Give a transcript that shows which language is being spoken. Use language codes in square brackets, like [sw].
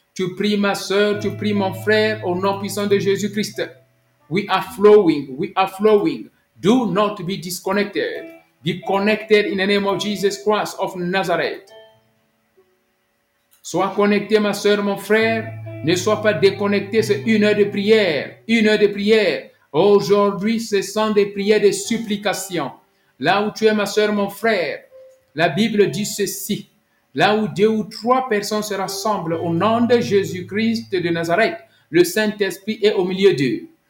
[fr] Tu pries, ma soeur, tu pries, mon frère, au nom puissant de Jésus Christ. [en] We are flowing. Do not be disconnected. Be connected in the name of Jesus Christ of Nazareth. [fr] Sois connecté, ma soeur, mon frère. Ne sois pas déconnecté, c'est une heure de prière. Aujourd'hui, ce sont des prières de supplication. Là où tu es, ma soeur, mon frère, la Bible dit ceci. Là où deux ou trois personnes se rassemblent au nom de Jésus-Christ de Nazareth, le Saint-Esprit est au milieu d'eux.